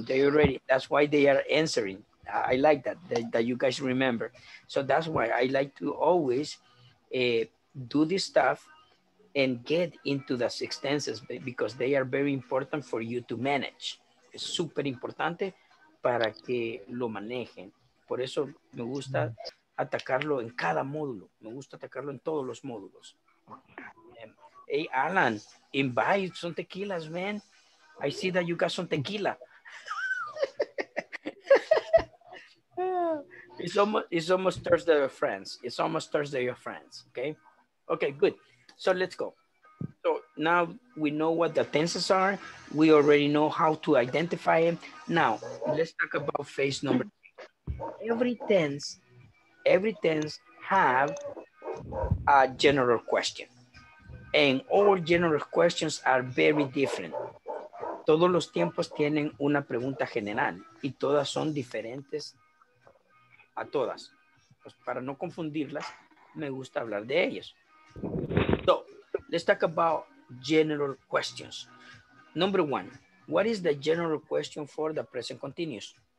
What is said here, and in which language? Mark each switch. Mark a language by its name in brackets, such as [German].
[English] They already, that's why they are answering. I like that you guys remember. So that's why I like to always do this stuff and get into the six tenses because they are very important for you to manage. It's [Spanish] super importante para que lo manejen. Por eso me gusta atacarlo en cada módulo. Me gusta atacarlo en todos los módulos. [English] Hey, Alan, invite some tequilas, man. I see that you got some tequila. It's almost Thursday of friends. It's almost Thursday of friends, okay? Okay, good. So let's go. So now we know what the tenses are. We already know how to identify them. Now, let's talk about phase number three. Every tense have a general question. And all general questions are very different. [Spanish] Todos los tiempos tienen una pregunta general y todas son diferentes a todas. Pues para no confundirlas, me gusta hablar de ellas. [English] So, let's talk about general questions. Number one, what is the general question for the present continuous?